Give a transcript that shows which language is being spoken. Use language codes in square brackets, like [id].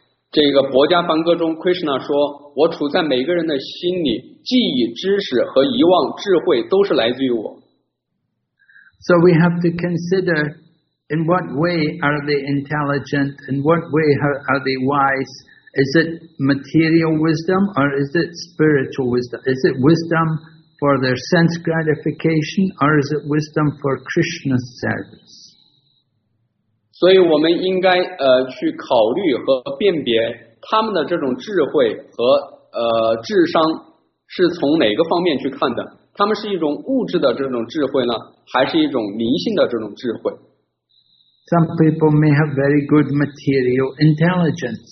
[zh] 这个佛家梵歌中 Krishna 说我处在每个人的心里记忆知识和遗忘智慧都是来自于我 [en] So we have to consider in what way are they intelligent, in what way are they wise. Is it material wisdom or is it spiritual wisdom? Is it wisdom for their sense gratification or is it wisdom for Krishna's service? [zh] 所以我们应该 去考虑和辨别 他们的这种智慧和智商是从哪个方面去看的? 他们是一种物质的这种智慧呢?还是一种灵性的这种智慧? [en] Some people may have very good material intelligence.